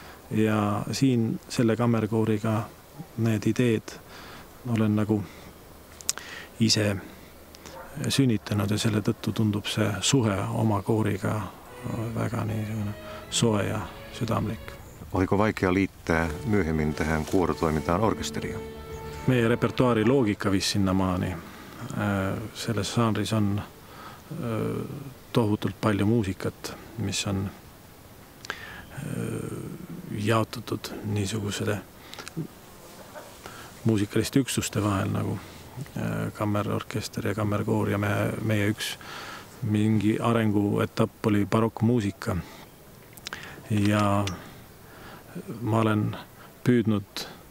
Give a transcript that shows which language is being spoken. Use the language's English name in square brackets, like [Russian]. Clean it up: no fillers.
[Estonian] Ja siin selle kammerkooriga need ideed olen nagu ise sünnitanud ja selle tõttu tundub see suhe oma kooriga väga nii soe ja südamlik. [Finnish] Oliko vaikea liite myöhemmin tähän kuorotoimintaan orkesteriin? [Estonian] Meie repertuaari loogika viis sinna maani. Selles saanris on tohutult palju muusikat, mis on jaotatud niisugusele muusikaliste üksuste vahel nagu kammerorkester ja kammerkoor ja meie üks mingi arengu etapp oli barokkmuusika ja ma olen püüdnud